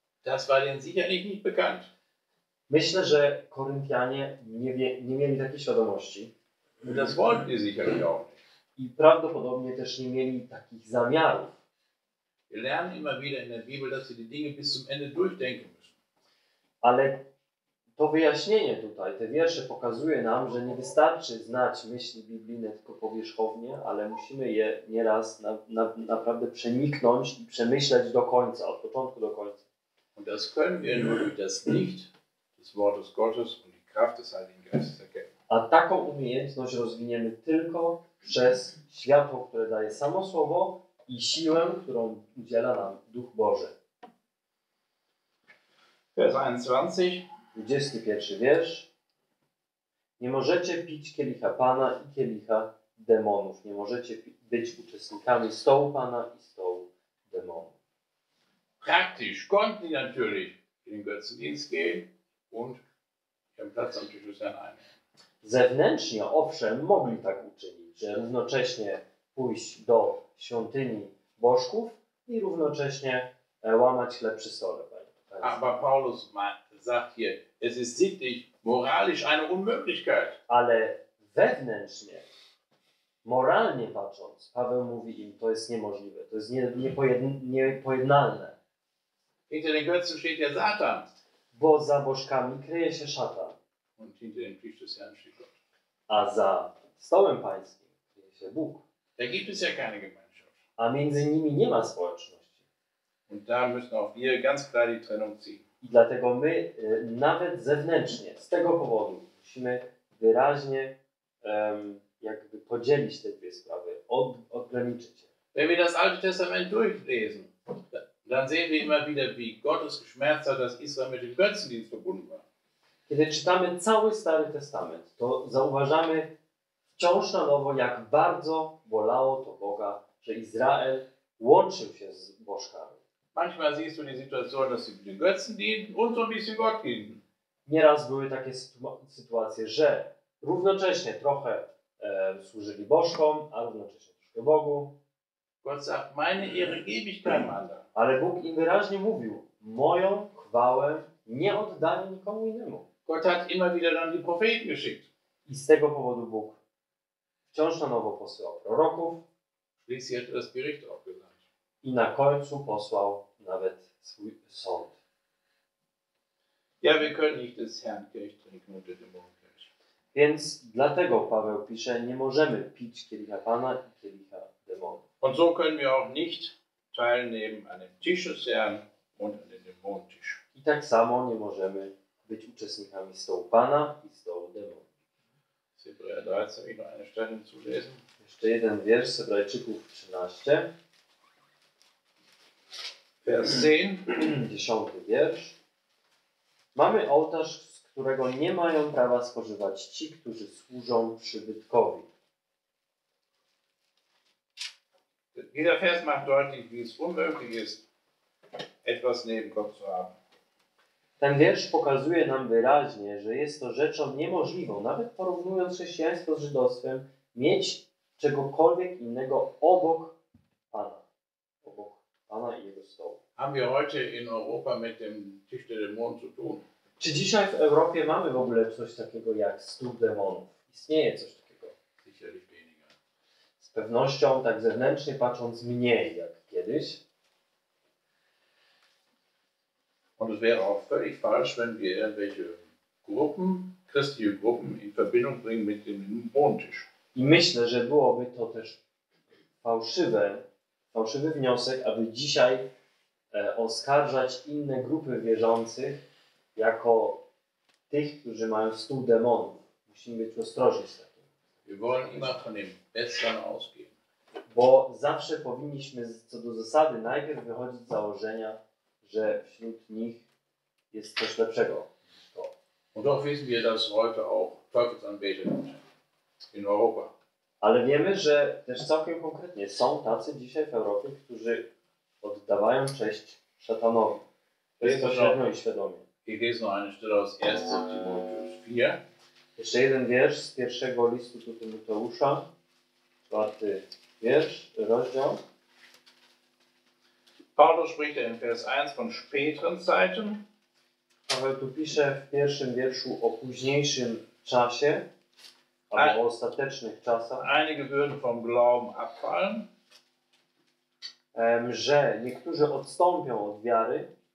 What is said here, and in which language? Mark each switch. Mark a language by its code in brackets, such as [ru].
[de] Das war denen sicherlich nicht bekannt. [pl] Myślę, że Koryntianie nie mieli takiej świadomości. [de] Das wollten sie sicherlich auch. [pl] I prawdopodobnie też nie mieli takich zamiarów. [de] Wir lernen immer wieder in der Bibel, dass sie die Dinge bis zum Ende durchdenken müssen. [pl] Ale to wyjaśnienie tutaj, te wiersze pokazuje nam, że nie wystarczy znać myśli biblijne tylko powierzchownie, ale musimy je nieraz naprawdę przeniknąć i przemyśleć do końca, od początku do końca. [de] Und das können wir nur durch das Licht des Wortes Gottes und die Kraft des Heiligen Geistes erkennen. [pl] A taką umiejętność rozwiniemy tylko przez światło, które daje samo Słowo i siłę, którą udziela nam Duch Boży. [de] Vers 21. [pl] 21 wiersz. Nie możecie pić kielicha Pana i kielicha demonów. Nie możecie być uczestnikami stołu Pana i stołu demonów. [de] Praktisch konnten sie natürlich in den Götzendienst gehen und ihren Platz am Tisch des Herrn einnehmen. [pl] Zewnętrznie, owszem, mogli tak uczynić, że równocześnie pójść do świątyni bożków i równocześnie łamać chleb przy stole. [de] Aber Paulus sagt hier, es ist sittlich, moralisch eine Unmöglichkeit. [pl] Ale wewnętrznie, moralnie patrząc, Paweł mówi im, to jest niemożliwe, to jest niepojednalne. [de] Hinter den Götzen steht ja Satan. [pl] Bo za bożkami kryje się szatan. [de] Und hinter dem Tisch des Herrn steht Gott. [pl] A za stołem pańskim kryje się Bóg. [de] Da gibt es ja keine Gemeinschaft. [pl] A między nimi nie ma społeczności. [de] Und da müssen auch wir ganz klar die Trennung ziehen. [pl] I dlatego my, nawet zewnętrznie, z tego powodu, musimy wyraźnie jakby podzielić te dwie sprawy, odgraniczyć je. [de] Wenn wir das Alte Testament durchlesen, dann sehen wir immer wieder, wie Gottes geschmerzt hat, dass Israel mit dem Götzendienst verbunden war. [pl] Kiedy czytamy cały Stary Testament, to zauważamy wciąż na nowo, jak bardzo bolało to Boga, że Izrael łączył się z bożkami. [de] Manchmal siehst du die Situation, dass sie den Götzen dienen und so ein bisschen Gott dienen. [pl] Nieraz były takie sytuacje, że równocześnie trochę służyli bożkom, a równocześnie troszkę Bogu. [de] Gott sagt, meine Ehre gebe ich keinem anderen. [pl] Ale Bóg im wyraźnie mówił, moją chwałę nie oddaję nikomu innemu. [de] Gott hat immer wieder dann die Propheten geschickt. [pl] I z tego powodu Bóg wciąż na nowo posyłał proroków. [de] Schließlich hat er das Gericht auch gesagt. [pl] I na końcu posłał nawet swój sąd. [de] Ja, wir können nicht des Herrn Kirch trinken und der Dämonen Kirch. [pl] Więc dlatego Paweł pisze, nie możemy pić kielicha Pana i kielicha demonów. [de] Und so können wir auch nicht teilnehmen an dem Tisch des Herrn und an dem Dämonen Tisch. [pl] I tak samo nie możemy być uczestnikami stołu Pana i stołu demonów. [de] Hebräer 13, ich noch eine Stelle zulesen. [pl] Jeszcze jeden wiersz z Hebrajczyków 13. [de] Vers 10. [pl] 10 wiersz. Mamy ołtarz, z którego nie mają prawa spożywać ci, którzy służą przybytkowi. [de] Jeder Vers macht deutlich, wie es unmöglich ist, etwas neben Gott zu haben. [pl] Ten wiersz pokazuje nam wyraźnie, że jest to rzeczą niemożliwą, nawet porównując chrześcijaństwo z żydostwem, mieć czegokolwiek innego obok Pana. Obok Pana i Jego stołu. [de] Haben wir heute in Europa mit dem Tisch der Dämonen zu tun? [pl] Czy dzisiaj w Europie mamy w ogóle coś takiego jak stół demonów? Istnieje coś takiego? [de] Sicherlich weniger. [pl] Z pewnością, tak zewnętrznie patrząc, mniej jak kiedyś. [de] Und es wäre auch völlig falsch, wenn wir irgendwelche Gruppen, christliche Gruppen, in Verbindung bringen mit dem Dämonentisch. [pl] I myślę, że byłoby to też fałszywy wniosek, aby dzisiaj oskarżać inne grupy wierzących jako tych, którzy mają stół demonów. Musimy być ostrożni z takim. [de] Wir wollen immer von dem Besten ausgehen. [pl] Bo zawsze powinniśmy co do zasady najpierw wychodzić z założenia, że wśród nich jest coś lepszego. [de] Und doch wissen wir, dass heute auch Teufelsanbeter in Europa. [pl] Ale wiemy, że też całkiem konkretnie są tacy dzisiaj w Europie, którzy oddawają cześć szatanowi. To jest pośrednio i świadomie. [de] Ich lese noch eine Stelle aus 1. Timotheus 4. [pl] Jeszcze jeden wiersz z pierwszego listu do Tymoteusza. 4. wiersz, rozdział. [de] Paulus spricht in Vers 1 von späteren Zeiten. [pl] Paweł tu pisze w pierwszym wierszu o późniejszym czasie. Albo o ostatecznych czasach. [de] Einige würden vom Glauben abfallen. [pl] Że niektórzy odstąpią od wiary.